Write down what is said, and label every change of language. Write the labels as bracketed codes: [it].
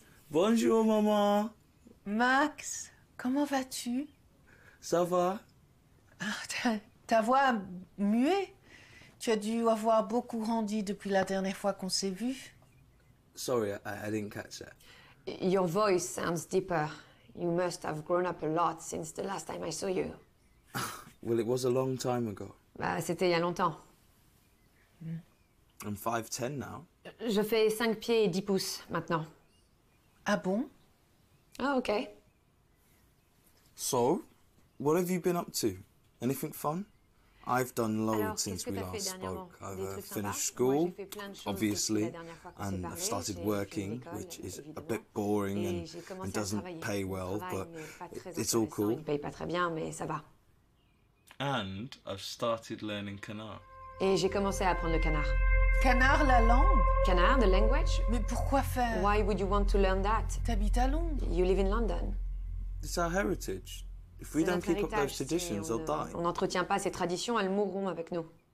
[fr] Bonjour, maman. Max, comment vas-tu? Ça va. Ah, ta voix a mué. Tu as dû avoir beaucoup grandi depuis la dernière fois qu'on s'est vu. [en] Sorry, I didn't catch that. Your voice sounds deeper. You must have grown up a lot since the last time I saw you. Well, it was a long time ago. [fr] Bah, c'était il y a longtemps. [en] I'm 5'10 now. [fr] Je fais 5 pieds et 10 pouces maintenant. Ah bon? [en] Oh, okay. So, what have you been up to? Anything fun? I've done loads. [fr] Alors, [en] since we last spoke. I've finished [fr] sympa. [en] School, obviously, and I've started working, which is a bit boring and doesn't pay well, but it's all cool. [fr] Il paye pas très bien, mais ça va. [en] And I've started learning canard. [fr] Et j'ai commencé à apprendre le canard. Canard, la langue? [en] Canard, the language? [fr] Mais pourquoi faire? [en] Why would you want to learn that? [fr] T'habites à Londres? [en] You live in London. It's our heritage. If we don't keep up those traditions, they'll die. [fr] On n'entretient pas ces traditions, elles mourront avec nous.